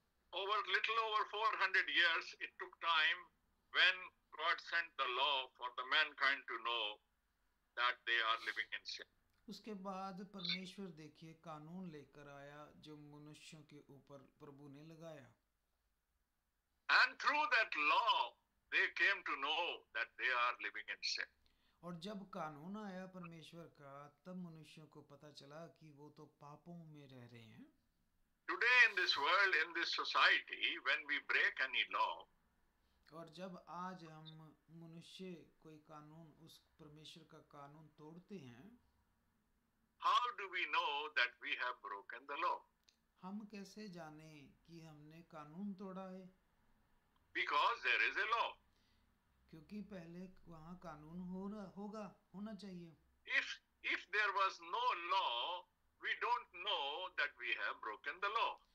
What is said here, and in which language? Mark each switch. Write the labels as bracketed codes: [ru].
[en] Over 400 years, it took time when God sent the law for the mankind to know that they are living in sin. [hi] उसके बाद परमेश्वर देखिए कानून लेकर आया जो मनुष्यों के ऊपर प्रभु ने लगाया. [en] And through that law, they came to know that they are living in sin. [hi] और जब कानून आया परमेश्वर का, तब मनुष्यों को पता चला कि वो तो पापों में रह रहे हैं. [en] Today in this world, in this society, when we break any law, [hi] और जब आज हम मनुष्य कोई कानून, उस परमेश्वर का कानून तोड़ते हैं, [en] how do we know that we have broken the law? [hi] हम कैसे जाने कि हमने कानून तोड़ा है? [en] Because there is a law. [hi] क्योंकि पहले वहां कानून हो रहा होगा होना चाहिए [en] if if there was no law we don't know that we have broken the law